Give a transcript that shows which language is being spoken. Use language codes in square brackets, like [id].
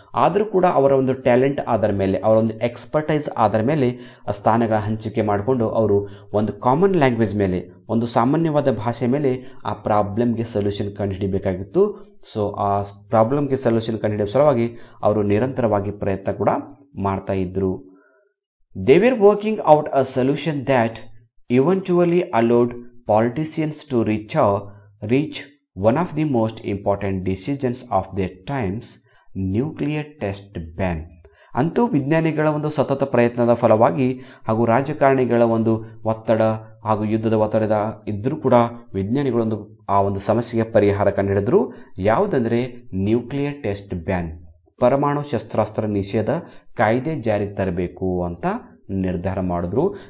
[kn] ಆದರೂ ಕೂಡ ಅವರ ಒಂದು ಟ್ಯಾಲೆಂಟ್ ಆದರ ಮೇಲೆ, ಅವರ ಒಂದು ಎಕ್ಸ್ಪರ್ಟೈಸ್ ಆದರ ಮೇಲೆ ಸ್ಥಾನಗಳ ಹಂಚಿಕೆ ಮಾಡಿಕೊಂಡು ಅವರು ಒಂದು ಕಾಮನ್ ಲ್ಯಾಂಗ್ವೇಜ್ ಮೇಲೆ, ಒಂದು ಸಾಮಾನ್ಯವಾದ ಭಾಷೆ ಮೇಲೆ ಆ ಪ್ರಾಬ್ಲಮ್ಗೆ ಸೊಲ್ಯೂಷನ್ ಕಂಡುಹಿಡಿಬೇಕಾಗಿತ್ತು. ಸೊ ಆ ಪ್ರಾಬ್ಲಮ್ಗೆ ಸೊಲ್ಯೂಷನ್ ಕಂಡುಹಿಡಿಯುವ ಸಲುವಾಗಿ ಅವರು ನಿರಂತರವಾಗಿ ಪ್ರಯತ್ನ ಕೂಡ ಮಾಡ್ತಾ ಇದ್ರು. [en] They were working out a solution that eventually allowed politicians to reach one of the most important decisions of their times, nuclear test ban. [kn] ಅಂತೂ ವಿಜ್ಞಾನಿಗಳ ಒಂದು ಸತತ ಪ್ರಯತ್ನದ ಫಲವಾಗಿ ಹಾಗೂ ರಾಜಕಾರಣಿಗಳ ಒಂದು ಒತ್ತಡ ಹಾಗೂ ಯುದ್ಧದ ಒತ್ತಡದ ಇದ್ದರೂ ಕೂಡ ವಿಜ್ಞಾನಿಗಳೊಂದು ಆ ಒಂದು ಸಮಸ್ಯೆಗೆ ಪರಿಹಾರ ಕಂಡುಹಿಡಿದ್ರು. ಯಾವುದಂದರೆ ನ್ಯೂಕ್ಲಿಯರ್ ಟೆಸ್ಟ್ ಬ್ಯಾನ್, ಪರಮಾಣು ಶಸ್ತ್ರಾಸ್ತ್ರ ನಿಷೇಧ ಕಾಯ್ದೆ ಜಾರಿಗೆ ತರಬೇಕು ಅಂತ ನಿರ್ಧಾರ ಮಾಡಿದ್ರು.